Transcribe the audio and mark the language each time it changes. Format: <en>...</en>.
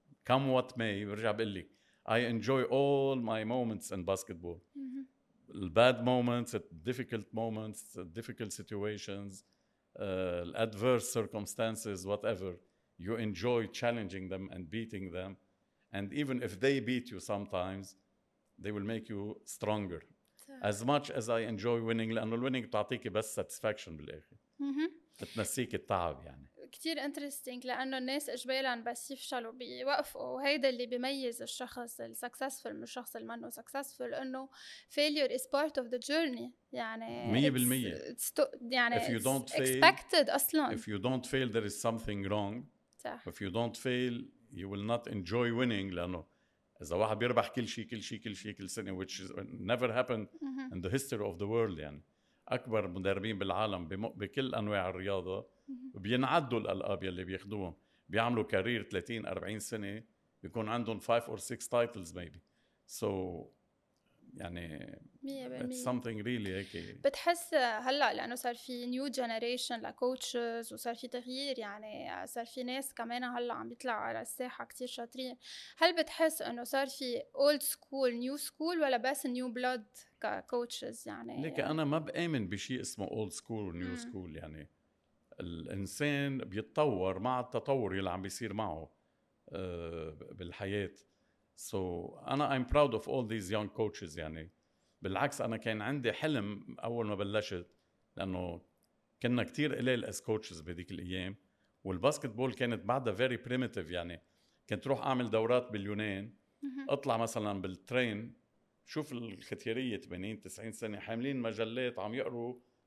<en>come what may</en> <ar>برجع بقول لك</ar> <en>I enjoy all my moments in basketball the bad moments the difficult moments the difficult situations adverse circumstances whatever you enjoy challenging them and beating them And even if they beat you sometimes, they will make you stronger.</en> <ar>صح.</ar> <en>As much as I enjoy winning,</en> <ar>لأنه winning بتعطيك بس satisfaction بالآخر. بتنسيك التعب يعني. كتير interesting لأنه الناس إجبالاً بس يفشلوا بيوقفوا. وهيدا اللي بيميز الشخص successful من الشخص المنه successful. إنه</ar> <en>failure is part of the journey.</en> <ar>يعني 100% يعني</ar> <en>if you don't fail, expected</en> <ar>أصلاً.</ar> <en>If you don't fail, there is something wrong.</en> <ar>صح.</ar> <en>If you don't fail, You will not enjoy winning,</en> <ar>لأنه إذا واحد بيربح كل شيء كل سنة,</ar> <en>which is, never happened in the history of the world,</en> <ar>يعني أكبر مدربين بالعالم بكل أنواع الرياضة بينعدوا الألقاب اللي بياخدوهم بيعملوا كارير 30-40 سنة بيكون عندهم</ar> <en>5 or 6 titles maybe.</en> <ar>So يعني 100%</ar> <en>it's something really okay.</en> <ar>بتحس هلأ لأنه صار في new generation لcoaches وصار في تغيير, يعني صار في ناس كمان هلأ عم بيطلع على الساحة كتير شاطرين, هل بتحس أنه صار في</ar> <en>old school new school</en> <ar>ولا بس</ar> <en>new blood</en> <ar>كcoaches؟ يعني لك أنا ما بآمن بشيء اسمه old school new school. يعني الإنسان بيتطور مع التطور اللي عم بيصير معه بالحياة.</ar> <en>So أنا I'm proud of all these young coaches.</en> <ar>يعني بالعكس أنا كان عندي حلم أول ما بلشت, لأنه كنا كتير قليل as coaches بهذيك الأيام, والباسكتبول كانت بعدها</ar> <en>very primitive.</en> <ar>يعني كنت روح أعمل دورات باليونان, أطلع مثلاً بالترين شوف الختيارية 80-90 سنة حاملين مجلات عم يقروا.</ar>